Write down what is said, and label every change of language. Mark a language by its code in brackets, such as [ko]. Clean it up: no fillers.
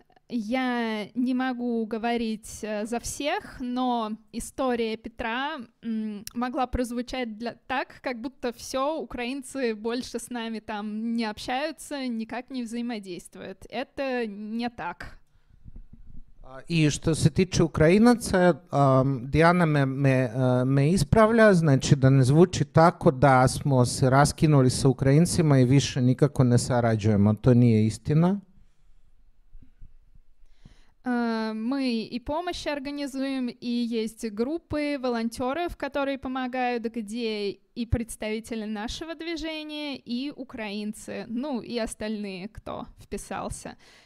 [ru] Я не могу говорить за всех, но история Петра могла прозвучать так, как будто все, украинцы больше с нами там не общаются, никак не взаимодействуют. Это не так. [sr] И что се тиче украинца, Диана ме исправля, значит, да не звучи тако, да смо се раскинули са украинцима и више никако не сарађујемо. То није истина. [ru] Мы и помощь организуем, и есть группы волонтеров, которые помогают, где и представители нашего движения, и украинцы, ну и остальные, кто вписался.